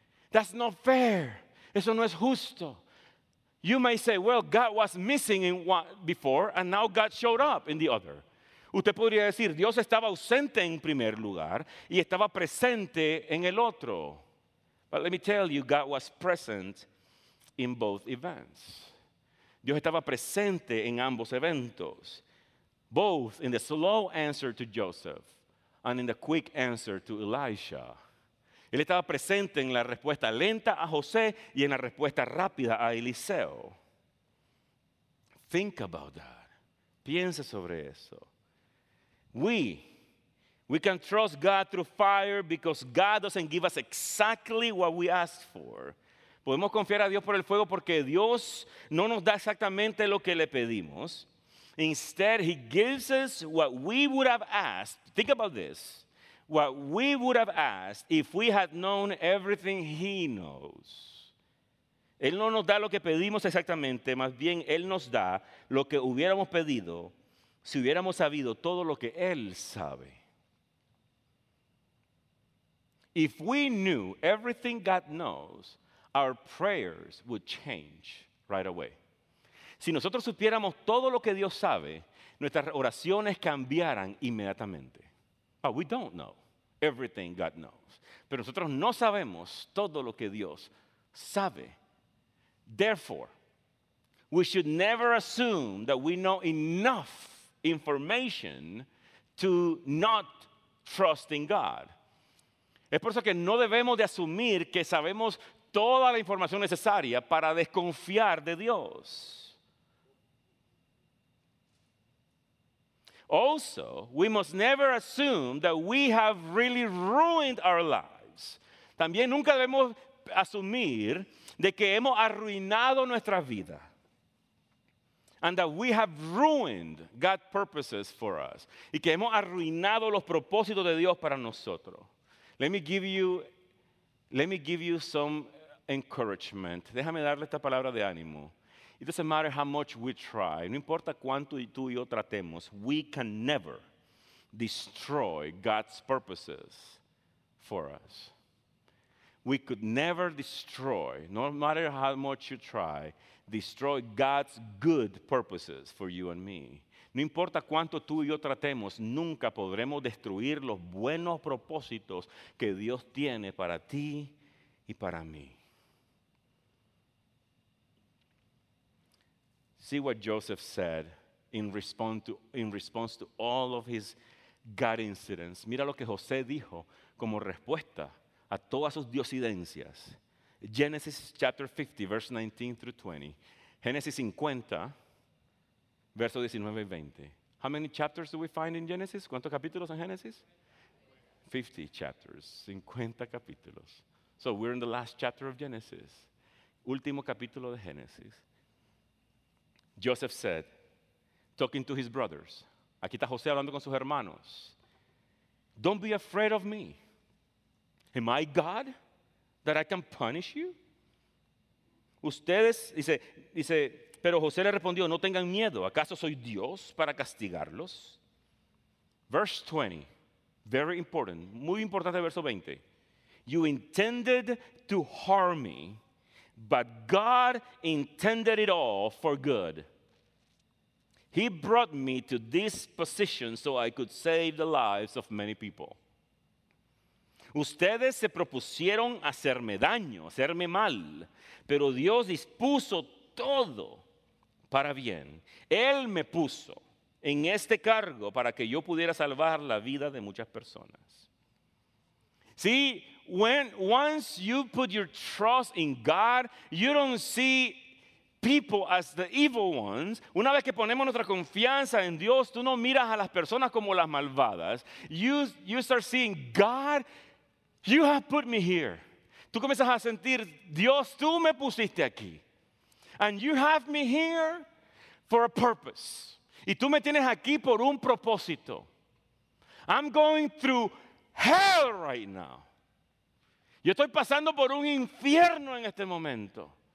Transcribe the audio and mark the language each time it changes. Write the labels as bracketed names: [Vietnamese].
[English] That's not fair. [Spanish] Eso no es justo. [English] You may say, well, God was missing in one before and now God showed up in the other. [Spanish] Usted podría decir, Dios estaba ausente en primer lugar y estaba presente en el otro. [English] But let me tell you, God was present in both events. Dios estaba presente en ambos eventos. Both in the slow answer to Joseph and in the quick answer to Elisha. [Spanish] Él estaba presente en la respuesta lenta a José y en la respuesta rápida a Eliseo. [English] Think about that. [Spanish] Piense sobre eso. [English] We can trust God through fire because God doesn't give us exactly what we asked for. [Spanish] Podemos confiar a Dios por el fuego porque Dios no nos da exactamente lo que le pedimos. [English] Instead, he gives us what we would have asked. Think about this. What we would have asked if we had known everything he knows. [Spanish] Él no nos da lo que pedimos exactamente, más bien él nos da lo que hubiéramos pedido si hubiéramos sabido todo lo que él sabe. [English] If we knew everything God knows, our prayers would change right away. [Spanish] Si nosotros supiéramos todo lo que Dios sabe, nuestras oraciones cambiaran inmediatamente. [English] But we don't know everything God knows. [Spanish] Pero nosotros no sabemos todo lo que Dios sabe. [English] Therefore, we should never assume that we know enough information to not trust in God. [Spanish] Es por eso que no debemos de asumir que sabemos toda la información necesaria para desconfiar de Dios. [English] Also, we must never assume that we have really ruined our lives. [Spanish] También nunca debemos asumir de que hemos arruinado nuestra vida. [English] And that we have ruined God's purposes for us. [Spanish] Y que hemos arruinado los propósitos de Dios para nosotros. [English] Let me give you some encouragement. [Spanish] Déjame darle esta palabra de ánimo. [English] It doesn't matter how much we try. No importa cuánto tú y yo tratemos. We can never destroy God's purposes for us. We could never destroy, no matter how much you try, destroy God's good purposes for you and me. [Spanish] No importa cuánto tú y yo tratemos, nunca podremos destruir los buenos propósitos que Dios tiene para ti y para mí. [English] See what Joseph said in response to all of his God incidents. [Spanish] Mira lo que José dijo como respuesta a todas sus diosidencias. [English] Genesis chapter 50, verse 19 through 20. [Spanish] Génesis 50, verso 19 y 20. [English] How many chapters do we find in Genesis? [Spanish] ¿Cuántos capítulos en Génesis? [English] 50 chapters, [Spanish] 50 capítulos. [English] So we're in the last chapter of Genesis. [Spanish] Último capítulo de Génesis. [English] Joseph said, talking to his brothers. [Spanish] Aquí está José hablando con sus hermanos. [English] Don't be afraid of me. Am I God that I can punish you? [Spanish] Ustedes, dice, pero José le respondió, no tengan miedo. ¿Acaso soy Dios para castigarlos? [English] Verse 20, very important. [Spanish] Muy importante verso 20. [English] You intended to harm me, but God intended it all for good. He brought me to this position so I could save the lives of many people. [Spanish] Ustedes se propusieron hacerme daño, hacerme mal, pero Dios dispuso todo para bien. Él me puso en este cargo para que yo pudiera salvar la vida de muchas personas. [English] See, once you put your trust in God, you don't see people as the evil ones. [Spanish] Una vez que ponemos nuestra confianza en Dios, tú no miras a las personas como las malvadas. [English] You start seeing God, you have put me here. [Spanish] Tú comienzas a sentir, Dios, tú me pusiste aquí. [English] And you have me here for a purpose. [Spanish] Y tú me tienes aquí por un propósito. [English] I'm going through hell right now. [Spanish] Yo estoy pasando por un infierno en este momento.